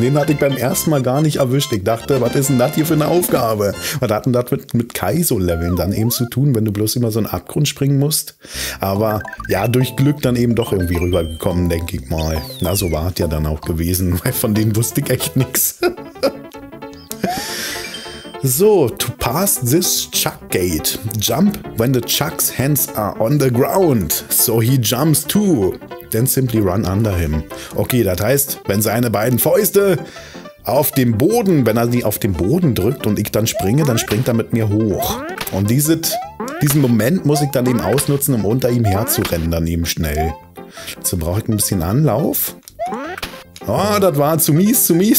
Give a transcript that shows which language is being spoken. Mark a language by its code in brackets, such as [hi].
[de] Den hatte ich beim ersten Mal gar nicht erwischt. Ich dachte, was ist denn das hier für eine Aufgabe? Was hat denn das mit Kaizo-Leveln dann eben zu tun, wenn du bloß immer so einen Abgrund springen musst? Aber ja, durch Glück dann eben doch irgendwie rübergekommen, denke ich mal. Na, so war es ja dann auch gewesen, weil von denen wusste ich echt nichts. [en] So, to pass this chuck gate, jump when the chuck's hands are on the ground, so he jumps too, then simply run under him. [de] Okay, das heißt, wenn seine beiden Fäuste auf dem Boden, wenn er sie auf den Boden drückt und ich dann springe, dann springt er mit mir hoch. Und diesen Moment muss ich dann eben ausnutzen, um unter ihm herzurennen, dann eben schnell. Dazu brauche ich ein bisschen Anlauf. Oh, das war zu mies.